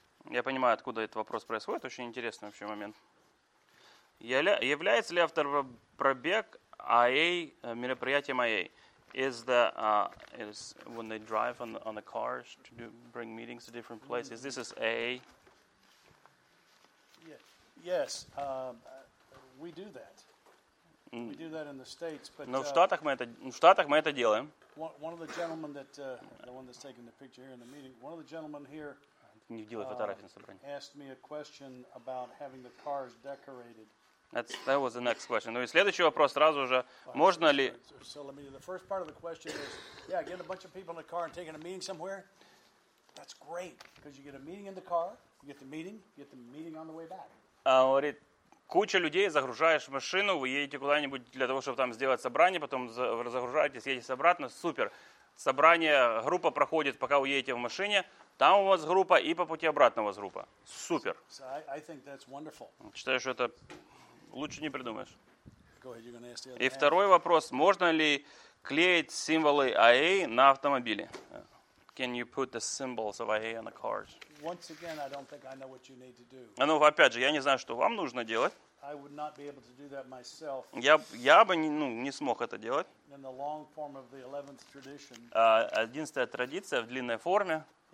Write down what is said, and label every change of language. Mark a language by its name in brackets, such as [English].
[Russian] Я понимаю, откуда этот вопрос происходит. Очень интересный вообще момент. Является ли автор пробег АА мероприятием АА? [English] Is the is when they drive on the cars to do, bring meetings to different places? Mm-hmm. Is this AA? Yeah. Yes, we do that. Mm. We do that in the States, but. [Russian] Но в Штатах мы это делаем. [English] One of the gentlemen that the one that's taking the picture here in the meeting, one of the gentlemen here. [Russian] Не делай фотографии на собрании. [English] Asked me a question about having the cars decorated. That was the next question. [Russian] Ну и следующий вопрос сразу же. Можно ли... [English] The first part of the question is, yeah, getting a bunch of people in the car and taking a meeting somewhere, that's great, because you get a meeting in the car, you get the meeting on the way back. [Russian] Говорит, куча людей, загружаешь машину, вы едете куда-нибудь для того, чтобы там сделать собрание, потом разгружаетесь, едете обратно, супер. Собрание, группа проходит, пока вы едете в машине, там у вас группа и по пути обратно у вас группа. Супер. [English] So I think that's wonderful. [Russian] Считаю, что это... Лучше не придумаешь. [English] Go ahead, you're gonna ask the other [Russian] И второй вопрос. Можно ли клеить символы АА на автомобиле? [English] Can you put the symbols of AA on the cars? Once again, I don't think I know what you need to do. [Russian] Ну, опять же, я не знаю, что вам нужно делать. [English] I would not be able to do that myself. [Russian] Я бы не смог это делать. [English] In the long form of the 11th tradition. [Russian] 11-я традиция в длинной форме.